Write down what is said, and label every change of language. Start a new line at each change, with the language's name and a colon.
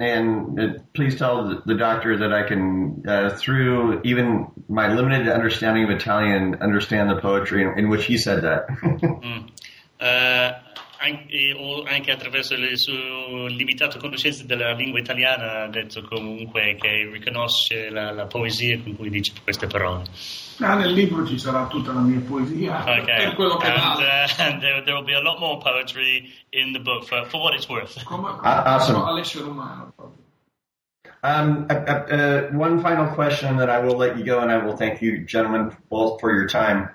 English: And please tell the doctor that I can, through even my limited understanding of Italian, understand the poetry in which he said that.
Italian: Anche attraverso le sue limitate conoscenze della lingua italiana, ha detto comunque che riconosce la poesia con cui dice queste parole. Ah, nel libro ci sarà tutta la mia poesia. Okay. Per quello che vale.
English: There will be a lot more poetry in the book for what it's worth.
Italian: Come all'essere umano.
English: One final question that I will let you go, and I will thank you gentlemen both for your time.